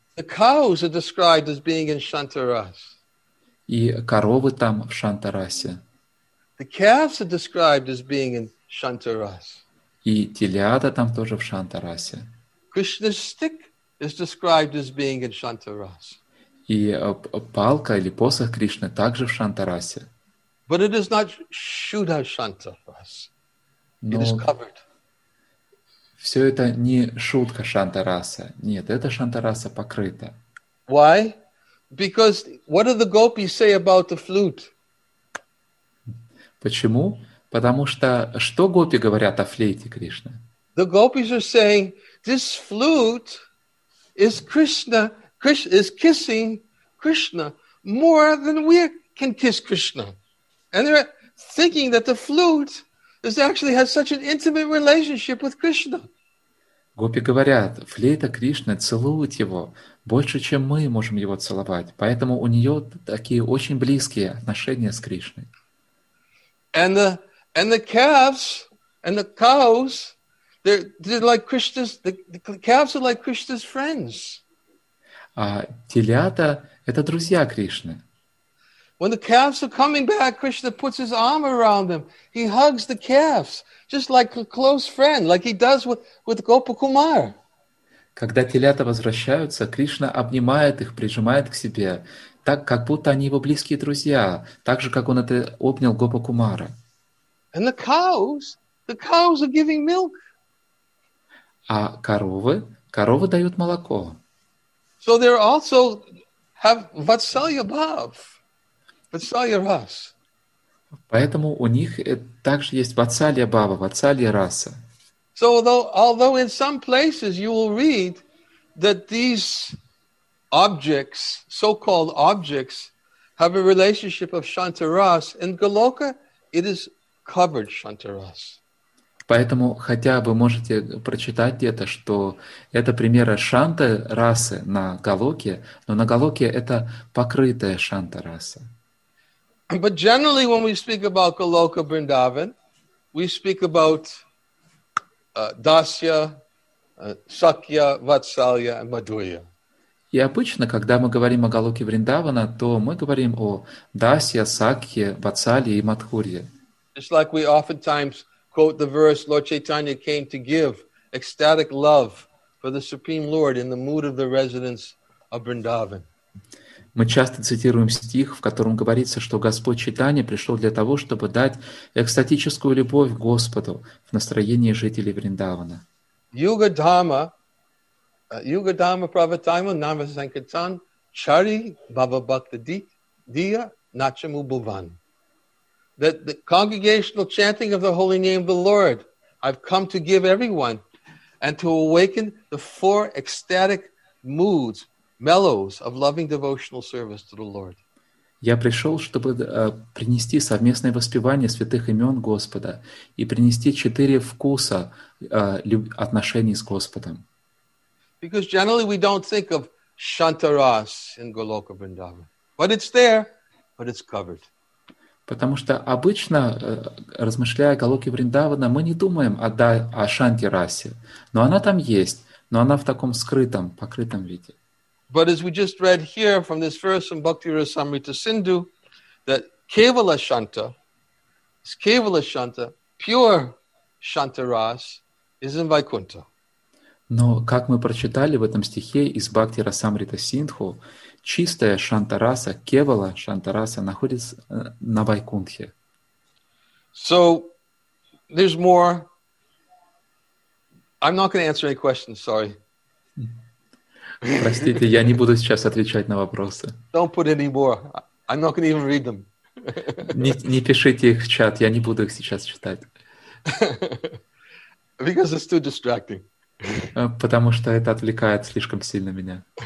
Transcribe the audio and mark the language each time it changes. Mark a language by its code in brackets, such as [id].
[en] The cows are described as being in Shanta Ras. [ru] И коровы там в Шанта расе. [en] The calves are described as being in Shanta Ras. [ru] И телята там тоже в Шанта расе. [en] Krishna's stick is described as being in Shanta Ras. [ru] И палка или посох Кришны также в Шанта расе. [en] But it is not Shuddha Shanta Ras. It is covered. [ru] Все это не шутка Шанта раса. Нет, это Шанта раса покрыта. [en] Why? Because what do the gopis say about the flute? [ru] Почему? Потому что что гопи говорят о флейте Кришны? [en] The gopis are saying this flute is Krishna, Krishna is kissing Krishna more than we can kiss Krishna. And they're thinking that the flute is actually has such an intimate relationship with Krishna. [ru] Гопи говорят, флейта Кришны целует его больше, чем мы можем его целовать, поэтому у нее такие очень близкие отношения с Кришной. [en] And the calves and the cows, they're like Krishna's. The calves are like Krishna's friends. [ru] А телята это друзья Кришны. [en] When the calves are coming back, Krishna puts his arm around them. He hugs the calves just like a close friend, like he does with Gopakumar. [ru] Когда телята возвращаются, Кришна обнимает их, прижимает к себе. Так, как будто они его близкие друзья, так же, как он это обнял Гопа Кумара. [en] And the cows are giving milk. [ru] А коровы? Коровы дают молоко. [en] So they also have Vatsalya Bhav. Vatsalya Ras. [ru] Поэтому у них также есть Vatsalya Bhava, Vatsalya Rasa. [en] So although in some places you will read that these objects, so-called objects, have a relationship of Shanta Ras. In Goloka, it is covered Shanta Ras. [ru] Поэтому хотя вы можете прочитать где-то, что это примеры Шанта Расы на Голоке, но на Голоке это покрытая Шанта Раса. [en] But generally, when we speak about Goloka Vrindavan, we speak about Dasya, Sakya, Vatsalya, and Madhurya. [ru] И обычно, когда мы говорим о Голоке Вриндавана, то мы говорим о Дасья, Сакхе, Вацалье и Мадхурье. [en] Just like we oftentimes quote the verse, Lord Chaitanya came to give ecstatic love for the Supreme Lord in the mood of the residents of Vrindavan. [ru] Мы часто цитируем стих, в котором говорится, что Господь Чайтанья пришел для того, чтобы дать экстатическую любовь Господу в настроении жителей Вриндавана. [sa] Юга Дхамма. Yuga Dhamma Pravatayma Nama Sankirtan Chari Bhava Bhakta Diya Nachamu Bhuvan. [en] That the congregational chanting of the holy name of the Lord, I've come to give everyone and to awaken the four ecstatic moods mellows of loving devotional service to the Lord. [ru] Я пришел, чтобы принести совместное воспевание святых имен Господа и принести четыре вкуса отношений с Господом. [en] Because generally we don't think of Shantaras in Goloka Vrindavan. But it's there, but it's covered. [ru] Потому что обычно, размышляя о Голоке Вриндавана, мы не думаем о Шантирасе. Но она там есть, но она в таком скрытом, покрытом виде. [en] But as we just read here from this verse from Bhakti Rasamrita Sindhu, that Kevala Shanta, Kevala Shanta, pure Shantaras is in Vaikuntha. [ru] Но, как мы прочитали в этом стихе из Бхакти Расамрита Синдху, чистая Шантараса, Кевала Шантараса, находится на Вайкунтхе. [en] So, there's more. I'm not going to answer any questions, sorry. [ru] Простите, я не буду сейчас отвечать на вопросы. [en] Don't put any more. I'm not going to even read them. [ru] Не пишите их в чат, я не буду их сейчас читать. [en] Because it's too distracting. [ru] Потому что это отвлекает слишком сильно меня.